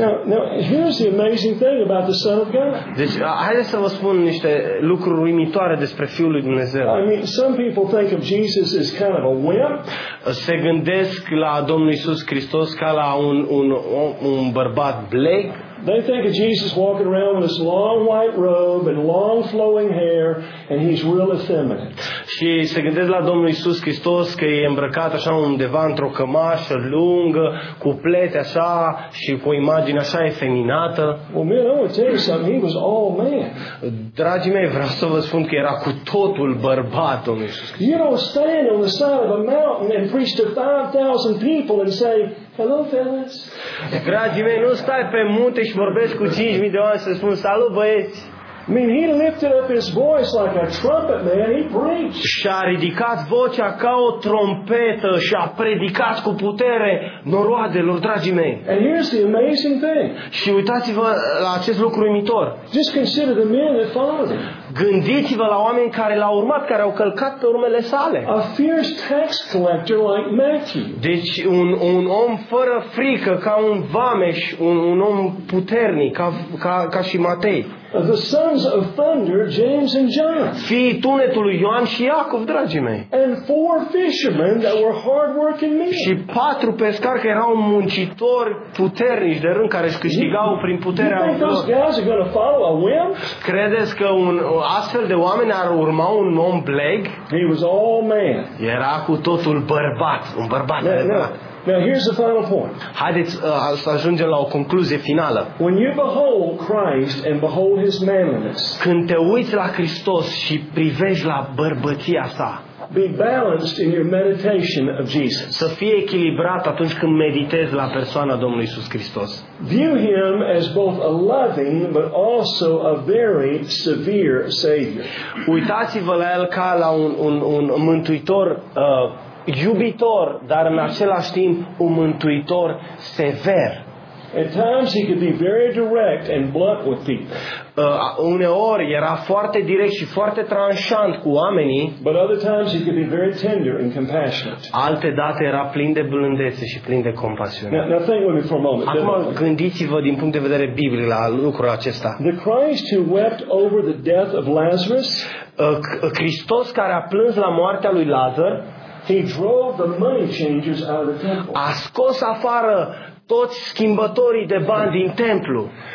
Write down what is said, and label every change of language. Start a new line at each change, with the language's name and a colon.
English: Now, here's the amazing thing about the Son of God.
Romanian: Deci, haideți să vă spun niște lucruri uimitoare despre Fiul lui Dumnezeu.
English: I mean, some people think of Jesus as kind of a wimp.
Romanian: Se gândesc la Domnul Iisus Hristos ca la un bărbat bleg.
English: They think of Jesus walking around with this long white robe and long flowing hair, and he's real effeminate.
Romanian: Și se gândesc la Domnul Iisus Hristos că e îmbrăcat așa undeva într-o cămașă lungă, cu plete așa și cu o imagine așa efeminată.
English: Well, man, I want to tell you something. He was all man.
Romanian: Dragii mei, vreau să vă spun că era cu totul bărbat Domnul Iisus Hristos.
English: You don't stand on the side of a mountain and preach to 5,000 people and say, "Hello, fellas."
Romanian: Dragii mei, nu stai pe munte și vorbești cu 5,000 de oameni să spun salut, băieți.
English: I mean, he lifted up his voice like a trumpet, man. He preached.
Romanian: Și-a ridicat vocea ca o trompetă și a predicat cu putere noroadelor, dragii mei.
English: And here's the amazing thing.
Romanian: Și uitați-vă la acest lucru uimitor.
English: Just consider the men that followed him.
Romanian: Gândiți-vă la oameni care l-au urmat, care au călcat pe urmele sale.
English: A fierce tax collector like Matthew.
Romanian: Deci un om fără frică, ca un vameș, un om puternic, ca și Matei.
English: The sons of thunder, James and John.
Romanian: Fii tunetului Ioan și Iacov, dragii mei.
English: And four fishermen that were hard-working men.
Romanian: Și patru pescari care erau muncitori puternici de rând, care își câștigau prin puterea lor.
English: You think those guys are going to follow a whim?
Romanian: Credeți că un astfel de oameni ar urma un om bleg?
English: He was all man.
Romanian: Era cu totul bărbat, un bărbat adevărat.
English: Now here's the final point.
Romanian: Haideți să ajungem la o concluzie finală.
English: When you behold Christ and behold his manliness.
Romanian: Când te uiți la Hristos și privești la bărbăția sa.
English: Be balanced in your meditation of Jesus.
Romanian: Să fii echilibrat atunci când meditezi la persoana Domnului Iisus Hristos.
English: View him as both a loving but also a very severe savior.
Romanian: Uitați-vă la el ca la un mântuitor iubitor, dar în același timp un mântuitor sever.
English: At times he could be very direct and blunt with people.
Romanian: Uneori era foarte direct și foarte tranșant cu oamenii.
English: But other times he could be very tender and compassionate.
Romanian: Alte date era plin de blândețe și plin de compasiune.
English: Now think with me for a moment.
Romanian: Acum gândiți-vă din punct de vedere biblic la lucrul acesta.
English: The Christ who wept over the death of Lazarus.
Romanian: Hristos care a plâns la moartea lui Lazar.
English: He drove the money changers out of the temple.
Romanian: A scos afară toți schimbătorii de bani din templu.